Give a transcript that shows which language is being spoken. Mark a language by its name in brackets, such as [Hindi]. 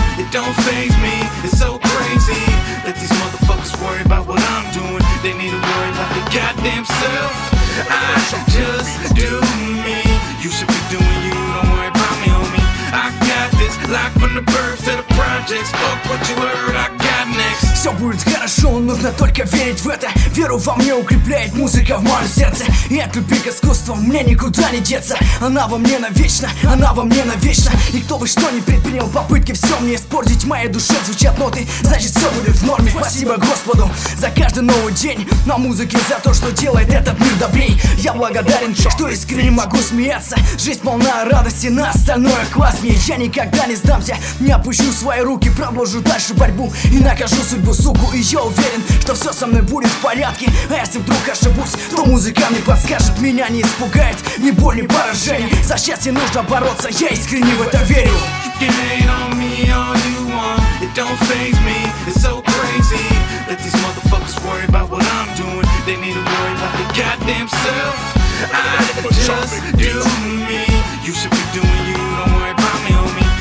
[English] Don't faze me, it's so crazy. Let these motherfuckers worry about what I'm doing. They need to worry about their goddamn self. I just do me. You should be doing you, don't worry about me, homie. I got this, like from the birth to the projects. Fuck what you heard, I got next. [Russian] Все будет хорошо, нужно только верить в это. Веру во мне укрепляет музыка в моем сердце. И от любви к искусству мне никуда не деться. Она во мне навечно, она во мне навечно. И кто бы что ни предпринял попытки все мне испортить. Моей душе звучат ноты, значит все будет в норме. Спасибо Господу за каждый новый день. На музыке за то, что делает этот мир добрей. Я благодарен, что искренне могу смеяться. Жизнь полна радости, на остальное класс мне. Я никогда не сдамся, не опущу свои руки. Продолжу дальше борьбу и накажу судьбу. Суку, и я уверен, что все со мной будет в порядке. А если вдруг ошибусь, то музыка мне подскажет. Меня не испугает ни боль, ни поражение. За счастье нужно бороться, я искренне в это верю. [English] You can hate on me all you want. It don't faze me, it's so crazy. Let these motherfuckers worry about what I'm doing. They need to worry about their goddamn self. I just do me. You should be doing you, don't worry about me, homie.